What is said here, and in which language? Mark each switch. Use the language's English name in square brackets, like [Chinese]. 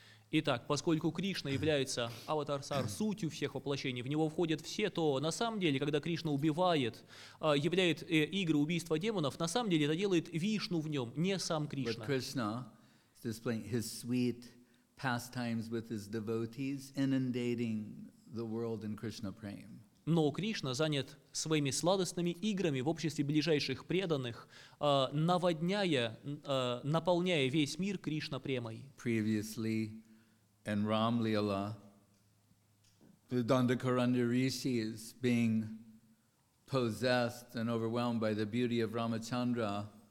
[Russian] Итак, поскольку Кришна является аватарсар, сутью всех воплощений, в него входят все, то на самом деле, когда Кришна убивает, являет игры убийства демонов, на самом деле это делает Вишну в нем, не сам Кришна. [English] But Krishna is displaying his sweet pastimes with his devotees, inundating the world in Krishna prema. [Russian] Но Кришна занят своими сладостными играми в обществе ближайших преданных, наводняя, наполняя весь мир Кришна премой. [English] Previously, in Ram Lila, the Dandakaranya Rishi is being possessed and overwhelmed by the beauty of Ramachandra,